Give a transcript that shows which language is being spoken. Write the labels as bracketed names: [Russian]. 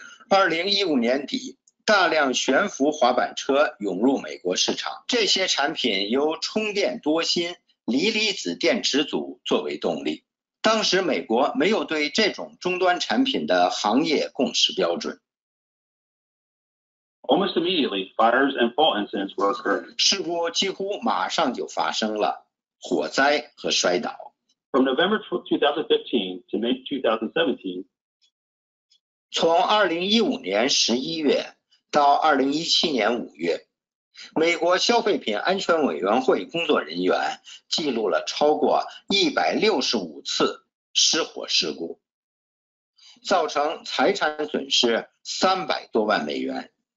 [Chinese] 2015年底，大量悬浮滑板车涌入美国市场，这些产品由充电多芯锂离子电池组作为动力，当时美国没有对这种终端产品的行业共识标准。 [English] Almost immediately, fires and fall incidents were occurring. [Chinese] 事故几乎马上就发生了，火灾和摔倒。 [English] From November 2015 to May 2017, [Chinese] 从2015年11月到2017年5月，美国消费品安全委员会工作人员记录了超过165次失火事故，造成财产损失300多万美元。